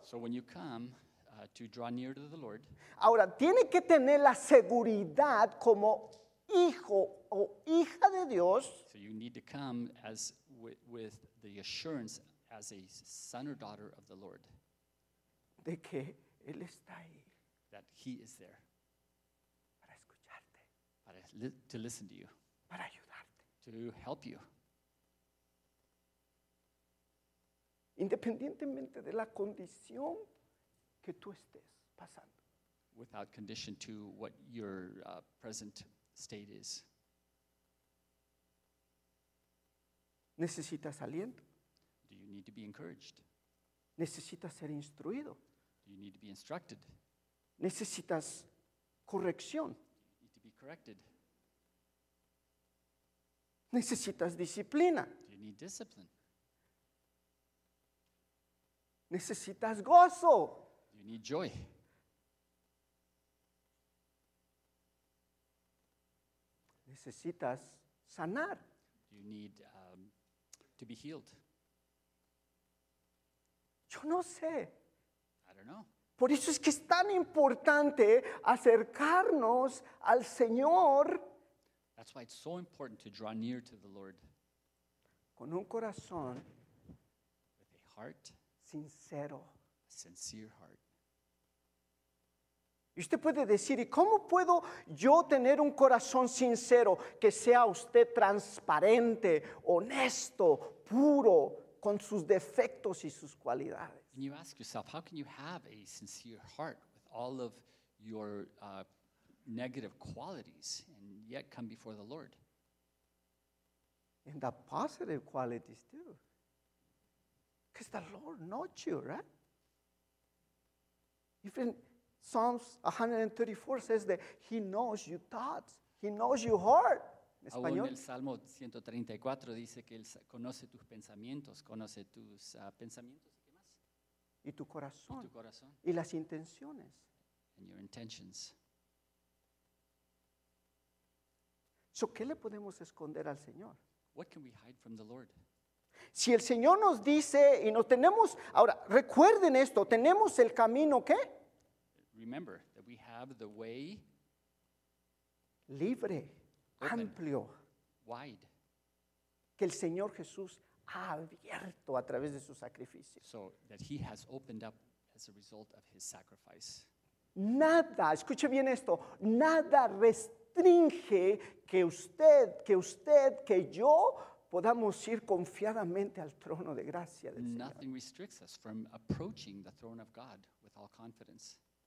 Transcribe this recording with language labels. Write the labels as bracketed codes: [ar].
[en] so when you come, to draw near to the Lord, [es] ahora, tiene que tener la seguridad como hijo o hija de Dios. [en] So you need to come as with the assurance as a son or daughter of the Lord. [es] De que Él está ahí. [en] That He is there. To listen to you. [es] Para ayudarte. [en] To help you. [es] Independientemente de la condición que tú estés pasando. [en] Without condition to what your present state is. [es] Necesitas aliento. [en] Do you need to be encouraged? [es] Necesitas ser instruido. [en] Do you need to be instructed? [es] Necesitas corrección. [en] You need to be corrected. [es] Necesitas disciplina. [en] You need discipline. [es] Necesitas gozo. [en] You need joy. [es] Necesitas sanar. [en] You need to be healed. [es] Yo no sé. [en] I don't know. [es] Por eso es que es tan importante acercarnos al Señor. [en] That's why it's so important to draw near to the Lord. [es] Con un corazón. [en] With a heart. [es] Sincero. [en] A sincere heart. [es] Y usted puede decir, ¿y cómo puedo yo tener un corazón sincero que sea usted transparente, honesto, puro, con sus defectos y sus cualidades? [en] And you ask yourself, how can you have a sincere heart with all of your negative qualities and yet come before the Lord. And the positive qualities too. Because the Lord knows you, right? Even Psalms 134 says that He knows your thoughts. He knows your heart. [es] Aún el Salmo 134 dice que Él conoce tus pensamientos, conoce tus pensamientos. ¿Qué más? Y tu corazón. Y tu corazón. Y las intenciones. [en] And your intentions. [es] So, ¿qué le podemos esconder al Señor? [en] What can we hide from the Lord? [es] Si el Señor nos dice y nos tenemos, ahora recuerden esto, tenemos el camino, ¿qué? [en] Remember that we have the way [es] libre, open, amplio, [en] wide, [es] que el Señor Jesús ha abierto a través de su sacrificio. [en] So that he has opened up as a result of his sacrifice. [es] Nada, escuche bien esto, nada restringe que yo podamos ir confiadamente al trono de gracia del [en] Nothing Nothing restricts us from approaching the throne of God with all confidence.